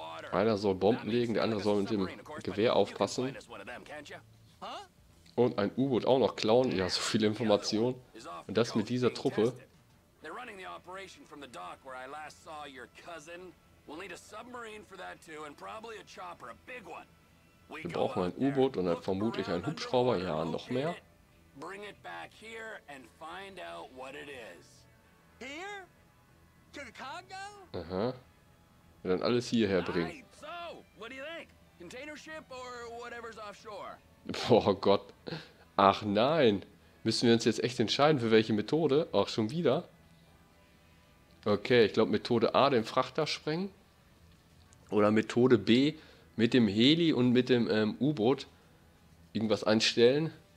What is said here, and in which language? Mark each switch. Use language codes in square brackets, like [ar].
[de] Einer soll Bomben legen, der andere soll mit dem Gewehr aufpassen. Und ein U-Boot auch noch klauen, ja, so viel Information. Und das mit dieser Truppe. [en] They're running the operation from the dock where I last saw your cousin. We'll need a submarine for that too and probably a chopper, a big one. [de] Wir brauchen ein U-Boot und dann vermutlich einen Hubschrauber, ja, noch mehr. [en] Bring it back here and find out what it is. Here? To the Congo? Aha. [de] Wir dann alles hierher bringen. [en] So, what do you think? Container ship or whatever's offshore? [de] Oh Gott. Ach nein. Müssen wir uns jetzt echt entscheiden für welche Methode? Auch schon wieder. Okay, ich glaube Methode A, den Frachter sprengen. Oder Methode B, mit dem Heli und mit dem U-Boot irgendwas einstellen.